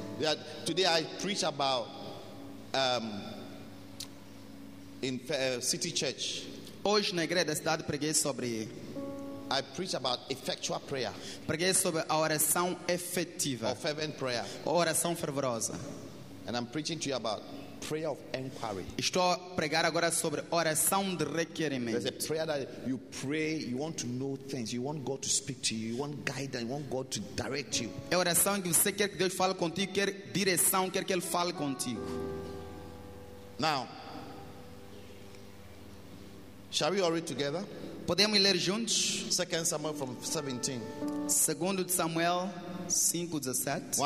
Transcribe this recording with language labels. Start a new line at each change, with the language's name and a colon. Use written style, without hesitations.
English: Yeah, today I preach about in City Church.
Portuguese: Hoje na igreja da cidade preguei sobre
English: I preach about effectual prayer.
Portuguese: Preguei sobre a oração efetiva.
English: Or fervent prayer.
Portuguese: Ou oração fervorosa.
English: And I'm preaching to you about prayer of enquiry.
Portuguese: Estou a pregar agora sobre oração de requerimento.
English: There's a prayer that you pray, you want to know things, you want God to speak to you, you want guidance, you want God to direct you.
Portuguese: É oração que você quer que Deus fale contigo, quer direção, quer que ele fale contigo.
English: Now, shall we all read together?
Portuguese: Podemos ler juntos?
English: 2 Samuel from 17.
Portuguese: Segundo de Samuel 5:17.